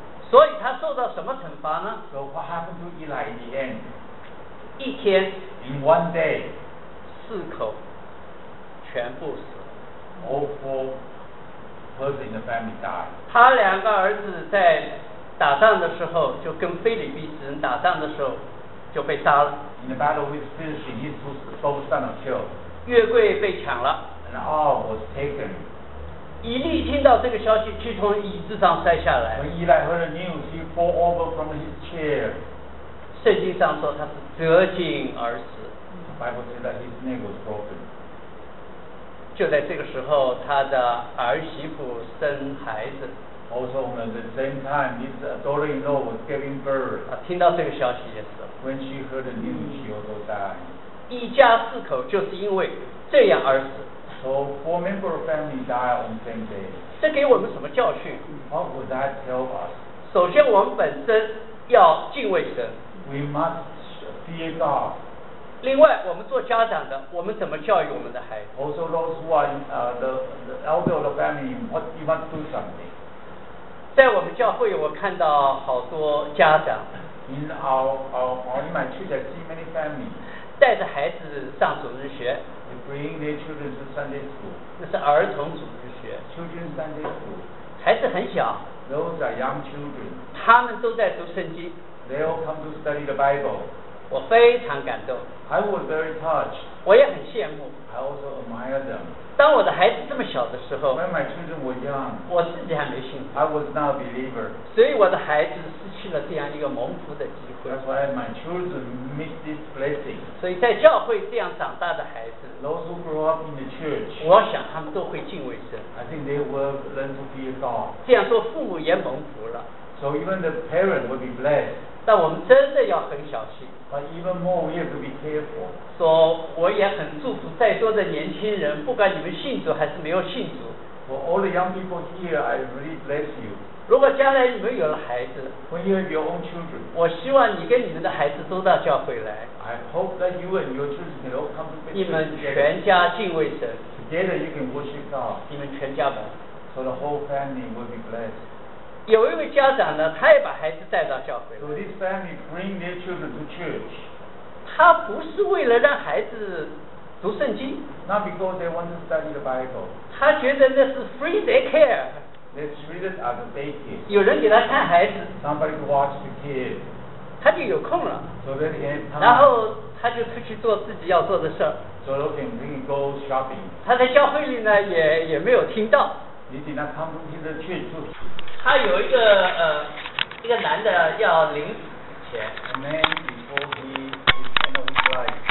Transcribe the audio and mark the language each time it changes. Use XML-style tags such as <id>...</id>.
<zh>所以他受到什么惩罚呢？</zh> <en>So what happened to Eli in the end?</en> <zh>一天。</zh> <en>In one day.</en> <zh>四口全部死。</zh> <en>All four persons in the family died.</en> <zh>他两个儿子在打仗的时候，就跟腓立比人打仗的时候就被杀了。</zh> <en>In the battle with Philistine, his two sons were killed.</en> <zh>约柜被抢了。</zh> <en>And all was taken.</en> <zh>以利听到这个消息，去从椅子上摔下来。</zh> <en>When Eli heard the news, he fell over from his chair.</en> <zh>圣经上说他是折颈而死。</zh> <en>The Bible says that his neck was broken.</en> <zh>就在这个时候，他的儿媳妇生孩子。</zh> <en>Also, at the same time, his daughter-in-law was giving birth.</en> <zh>他听到这个消息也死了。</zh> <en>When she heard the news, she also died.</en> <zh>一家四口就是因为这样而死。</zh> <en>So four members of family died on the same day.</en> <zh>这给我们什么教训？</zh> <en>What would that tell us?</en> <zh>首先我们本身要敬畏神。</zh> <en>We must fear God.</en> <zh>另外我们做家长的，我们怎么教育我们的孩子？</zh> <en>Also those who are the elder of the family, what you must do something.</en> <zh>在我们教会我看到好多家长。</zh> <en>In our in my church, I see many families.</en> <zh>带着孩子上主日学。</zh> <en>Bring their children to Sunday school.</en> <zh>那是儿童主日学。</zh> <en>Children Sunday school.</en> <zh>孩子很小。</zh> <en>Those are young children.</en> <zh>他们都在读圣经。</zh> <en>They all come to study the Bible.</en> <zh>我非常感动。</zh> <en>I was very touched.</en> <zh>我也很羡慕。</zh> <en>I also admire them.</en> <zh>当我的孩子这么小的时候。</zh> <en>When my children were young.</en> <zh>我自己还没信。</zh> <en>I was not a believer.</en> <zh>所以我的孩子失去了这样一个蒙福的机会。</zh> <en>That's why my children missed this blessing.</en> <zh>所以在教会这样长大的孩子。</zh> <en>Those who grow up in the church,</en> <zh>我想他们都会敬畏神。</zh> <en>I think they will learn to fear God.</en> <zh>这样说父母也蒙福了。</zh> <en>So even the parents will be blessed.</en> <zh>但我们真的要很小心。</zh> <en>But even more, we have to be careful.</en> <zh>说我也很祝福在座的年轻人，不管你们信主还是没有信主。</zh> <en>For all the young people here, I really bless you.</en> <zh>如果将来你们有了孩子，</zh> <en>When you have your own children,</en> <zh>我希望你跟你们的孩子都到教会来。</zh> <en>I hope that you and your children can all come to faith together.</en> <zh>你们全家敬畏神。</zh> <en>Together you can worship God.</en> <zh>你们全家吧。</zh> <en>So the whole family will be blessed.</en> <zh>有一位家长呢，他也把孩子带到教会。</zh> <en>So this family bring their children to church.</en> <zh>他不是为了让孩子读圣经。</zh> <en>Not because they want to study the Bible.</en> <zh>他觉得那是</zh> <en>free daycare. They treat it as a daycare.</en> <zh>有人给他看孩子。</zh> <en>Somebody to watch the kids.</en> <zh>他就有空了。</zh> <en>So they can time.</en> <zh>然后他就出去做自己要做的事。</zh> <en>So they can really go shopping.</en> <zh>他在教会里呢，也没有听到。</zh> <en>He did not come to the church.</en> <zh>他有一个男的要临死前。</zh> <en>A man before he end of his life.</en>